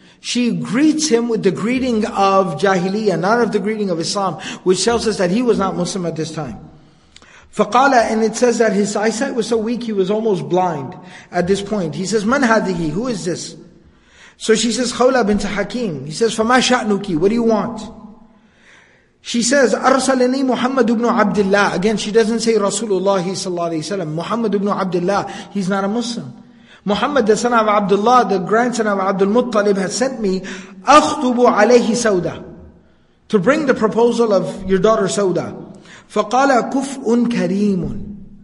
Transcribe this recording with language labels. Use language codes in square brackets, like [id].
[en] She greets him with the greeting of Jahiliyyah, not of the greeting of Islam, which tells us that he was not Muslim at this time. [ar] فَقَالَ, [en] and it says that his eyesight was so weak, he was almost blind at this point. He says, [ar] مَنْ هَذِهِ, [en] who is this? So she says, خَوْلَ بِنْتَ حَكِيمٍ. He says, [ar] فَمَا شَأْنُكِ, [en] what do you want? [ar] She says, أَرْسَلَنِي مُحَمَّدُ بْنُ عَبْدِ اللَّهِ. [en] Again, she doesn't say Rasulullah sallallahu alayhi wa sallam. Muhammad ibn Abdullah, he's not a Muslim. Muhammad, the son of Abdullah, the grandson of Abdul Muttalib, has sent me, [ar] أَخْطُبُ عَلَيْهِ سَوْدَ, [en] to bring the proposal of your daughter Sauda. [ar] فَقَالَ كُفْءٌ كَرِيمٌ.